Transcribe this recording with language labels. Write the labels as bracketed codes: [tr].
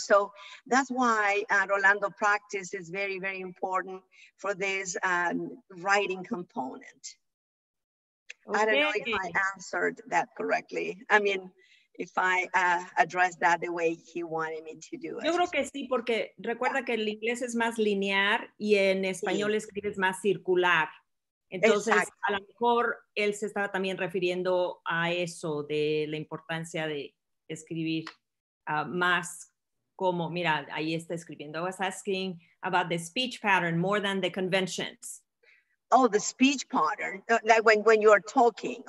[en] So that's why Rolando, practice is very, very important for this writing component. Okay. I don't know if I answered that correctly. I mean, if I address that the way he wanted me to do it. [es] Yo creo que sí, porque recuerda que el inglés es más linear y en español escribes más circular. Entonces, exacto. A lo mejor él se estaba también refiriendo a eso de la importancia de escribir más como, mira, ahí está escribiendo. [en] I was asking about the speech pattern more than the conventions. Oh, the speech pattern, like when you are talking.